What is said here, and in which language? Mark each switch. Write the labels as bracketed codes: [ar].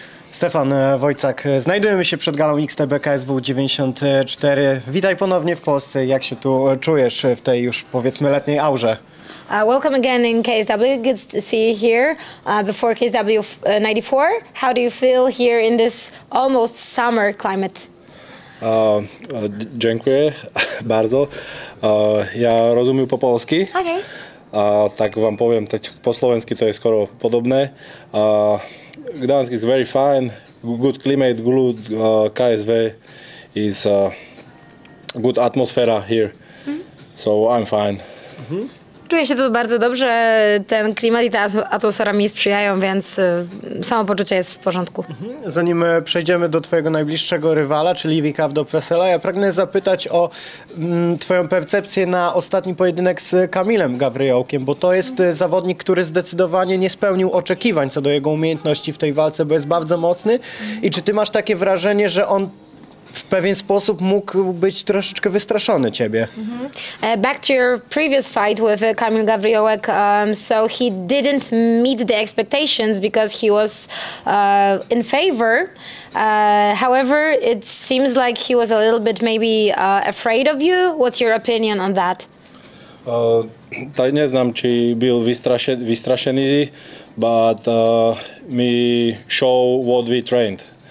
[pl] Stefan Wojcak, znajdujemy się przed galą XTB KSW 94. Witaj ponownie w Polsce. Jak się tu czujesz w tej już powiedzmy letniej aurze? [en] Welcome again in KSW. Good to see you here before KSW 94. How do you feel here in this almost summer climate? [pl] Dziękuję bardzo. Ja rozumiem po polski. [en] Okay. [pl] Tak wam powiem, tak po slovensky to jest skoro podobne. [en] Gdansk is very fine, good climate, good KSW is good atmosphere here, so I'm fine. [pl] Czuję się tu bardzo dobrze, ten klimat i ta atmosfera mi sprzyjają, więc samo poczucie jest w porządku. Zanim przejdziemy do twojego najbliższego rywala, czyli Vikavdo Pesela, ja pragnę zapytać o twoją percepcję na ostatni pojedynek z Kamilem Gawryjołkiem, bo to jest zawodnik, który zdecydowanie nie spełnił oczekiwań co do jego umiejętności w tej walce, bo jest bardzo mocny. I czy ty masz takie wrażenie, że on w pewien sposób mógł być troszeczkę wystraszony ciebie? [en] Back to your previous fight with Kamil Gawryjołek, so he didn't meet the expectations because he was in favor. However, it seems like he was a little bit maybe afraid of you. What's your opinion on that? [pl] Tak nie znam, czy był wystraszony, [en] but me show what we trained.